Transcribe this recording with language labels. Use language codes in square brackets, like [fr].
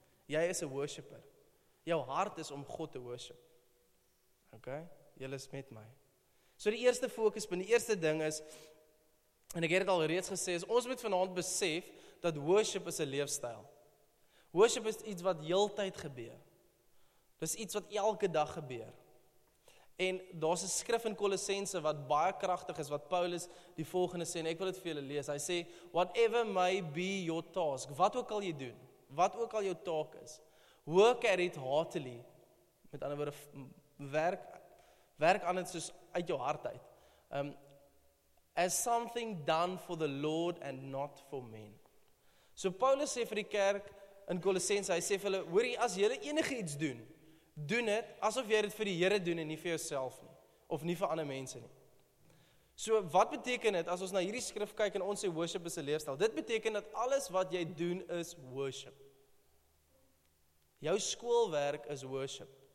[af] Jy is 'n worshipper. Jou hart is om God te worship. OK? Jy is met my. So die eerste fokus, die eerste ding is, en ek het dit al reeds gesê, is ons moet vanaand besef dat worship is 'n leefstyl. Worship is iets wat heeltyd gebeur. Dis iets wat elke dag gebeur. En daar's 'n skrif in Kolossense wat baie kragtig is, wat Paulus die volgende sê, en ek wil dit vir julle lees. Hy sê, [en] whatever may be your task, [af] wat ook al jy doen, wat ook al jou taak is, [en] work at it heartily. [af] Met ander woorde, werk aan dit soos uit jou hart uit. [en] As something done for the Lord and not for men. [af] So Paulus sê vir die kerk in Kolossense, hy sê vir hulle, hoorie, as julle enige iets doen, doen dit asof jy dit vir die Here doen en nie vir jouself nie of nie vir ander mense nie. So wat beteken dit as ons na hierdie skrif kyk en ons sê worship is 'n leefstyl? Dit beteken dat alles wat jy doen is worship. Jou skoolwerk is worship.